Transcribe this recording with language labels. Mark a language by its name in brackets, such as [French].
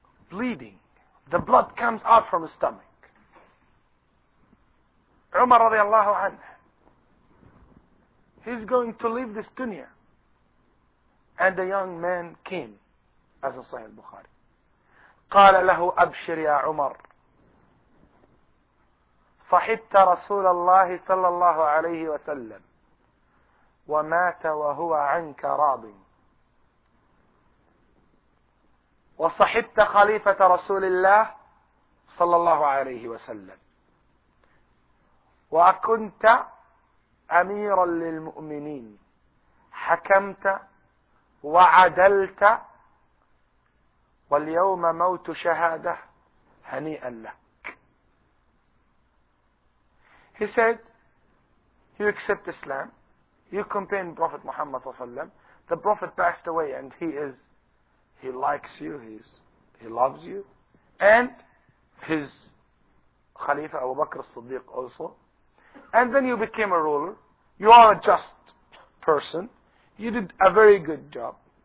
[English] Bleeding. The blood comes out from his stomach. Umar radiallahu anhu. He's going to leave this dunya. And a young man came, as in Sahih Bukhari. [Arabic] قال له أبشر يا عمر صحبت رسول الله صلى الله عليه وسلم ومات وهو عنك راض وصحبت خليفة رسول الله صلى الله عليه وسلم وأكنت أميرا للمؤمنين حكمت وعدلت واليوم موت شهادة هنيئا لك. [English] He said, you accept Islam, you companion Prophet Muhammad صلى الله عليه وسلم, the Prophet passed away and he loves you, and his Khalifa Abu Bakr al-Siddiq also, and then you became a ruler, you are a just person, you did a very good job.